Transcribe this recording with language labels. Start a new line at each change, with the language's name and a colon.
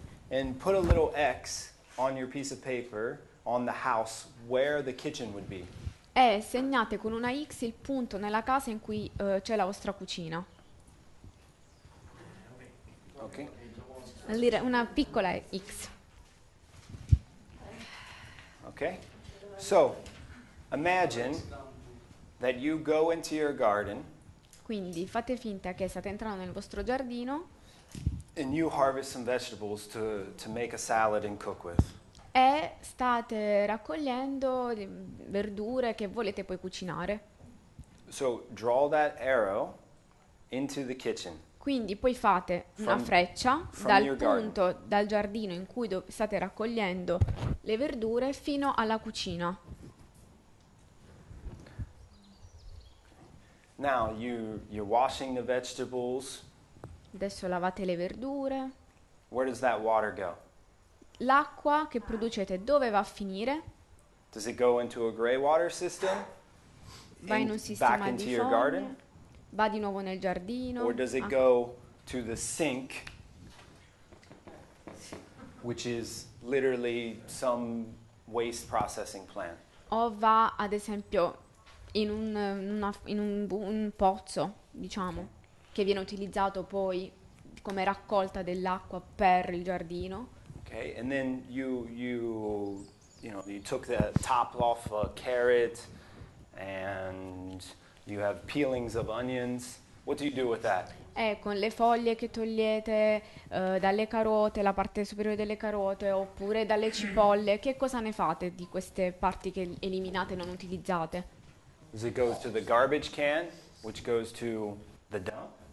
English: And put a little X on your piece of paper on the house where the kitchen would be.
Italian: E segnate con una X il punto nella casa in cui c'è la vostra cucina.
English: Okay.
Italian: Una piccola X.
English: Okay. So, Imagine that you go into your garden.
Italian: Quindi fate finta che state entrando nel vostro giardino.
English: And you harvest some vegetables to make a salad and cook with.
Italian: E state raccogliendo verdure che volete poi cucinare.
English: So draw that arrow into the kitchen.
Italian: Quindi poi fate una freccia dal punto, dal giardino in cui state raccogliendo le verdure fino alla cucina.
English: Now you're washing the vegetables.
Italian: Adesso lavate le verdure.
English: Where does that water go?
Italian: L'acqua che producete dove va a finire?
English: Does it go into a grey water system?
Italian: Va in un sistema
English: back into
Italian: di
English: your garden?
Italian: Va di nuovo nel giardino?
English: Or does it go to the sink, which is literally some waste processing plant? O va ad esempio in un pozzo, diciamo, che viene utilizzato poi come raccolta dell'acqua per il giardino. Okay, and then you took the top off a carrot and you have peelings of onions. What do you do with that?
Italian: Con le foglie che togliete dalle carote, la parte superiore delle carote, oppure dalle cipolle, che cosa ne fate di queste parti che eliminate, non utilizzate?
English: Does it go to the garbage can, which goes to the dump?